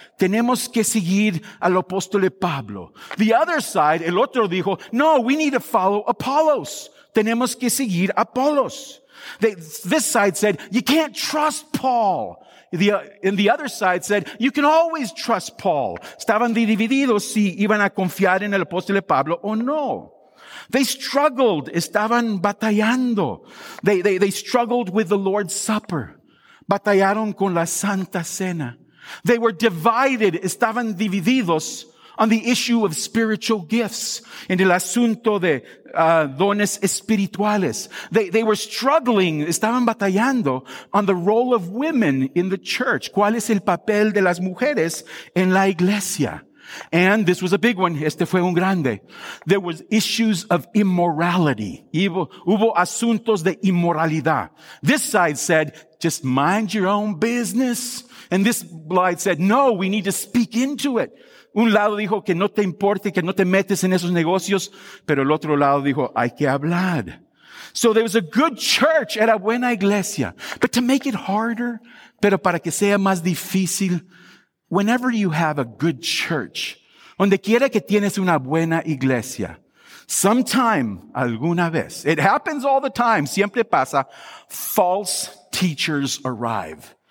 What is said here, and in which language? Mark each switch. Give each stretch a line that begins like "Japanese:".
Spanish: Tenemos que seguir al apóstol Pablo.
English: The other side,
Spanish: el otro dijo,
English: no, we need to follow Apollos.
Spanish: Tenemos que seguir Apollos.
English: This side said, you can't trust Paul. And the other side said, you can always trust Paul.
Spanish: Estaban divididos si iban a confiar en el apóstol Pablo o no.
English: They struggled.
Spanish: Estaban batallando.
English: They struggled with the Lord's Supper.
Spanish: Batallaron con la Santa Cena.
English: They were divided.
Spanish: Estaban divididos
English: on the issue of spiritual gifts.
Spanish: En el asunto de dones espirituales.
English: They were struggling,
Spanish: estaban batallando
English: on the role of women in the church.
Spanish: ¿Cuál es el papel de las mujeres en la iglesia?
English: And this was a big one.
Spanish: Este fue un grande.
English: There was issues of immorality.
Spanish: Hubo asuntos de inmoralidad.
English: This side said, just mind your own business. And this side said, no, we need to speak into it.
Spanish: Un lado dijo que no te importe, que no te metes en esos negocios, pero el otro lado dijo, hay que hablar.
English: So there was a good church,
Spanish: era buena iglesia.
English: But to make it harder,
Spanish: pero para que sea más difícil,
English: whenever you have a good church,
Spanish: donde quiera que tienes una buena iglesia,
English: sometime,
Spanish: alguna vez,
English: it happens all the time,
Spanish: siempre pasa,
English: false teachers arrive.